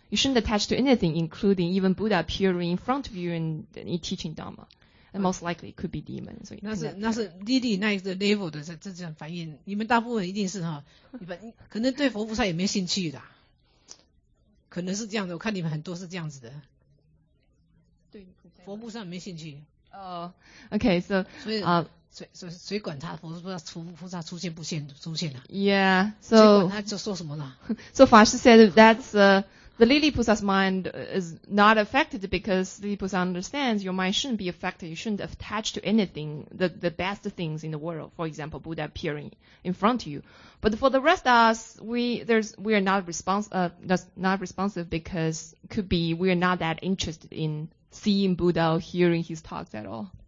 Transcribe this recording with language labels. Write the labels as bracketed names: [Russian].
[English] You shouldn't attach to anything, including even Buddha appearing in front of you and teaching Dharma. And most likely it could be demons. [Chinese] 那是 Lily 那一个 level 的这种反应，你们大部分一定是哈，可能对佛菩萨也没兴趣的，可能是这样的。我看你们很多是这样子的，对，佛菩萨没兴趣。 [English] Okay, so [Chinese] 所以啊。谁管他菩萨出现不现出现了、 [English] 啊、Yeah, so [Chinese] 谁管他就说什么了。 [English] So 法师 said that's the Lily Pusa's mind is not affected because Lily Pusa understands your mind shouldn't be affected. You shouldn't attach to anything, the best things in the world. For example, Buddha appearing in front of you. But for the rest of us, we are not responsive because could be we are not that interested in seeing Buddha or hearing his talks at all.